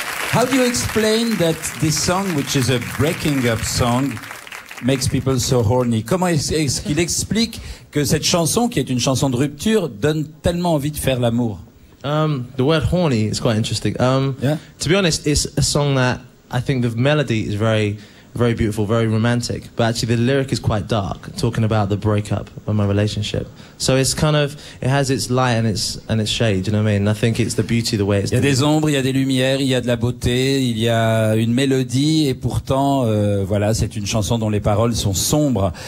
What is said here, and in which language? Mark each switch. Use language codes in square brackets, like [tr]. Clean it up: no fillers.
[en] How do you explain that this song, which is a breaking up song, makes people so horny? [fr] Comment est-ce qu'il explique que cette chanson, qui est une chanson de rupture, donne tellement envie de faire l'amour? [en] The word horny is quite interesting. To be honest, it's a song that I think the melody is very, very beautiful, very romantic, but actually the lyric is quite dark, talking about the breakup of my relationship. So it's kind of, it has its light and its shade, you know what I mean? And I think it's the beauty, the way it's [fr] done. Il y a des ombres, il y a des lumières, il y a de la beauté, il y a une mélodie, et pourtant, voilà, c'est une chanson dont les paroles sont sombres.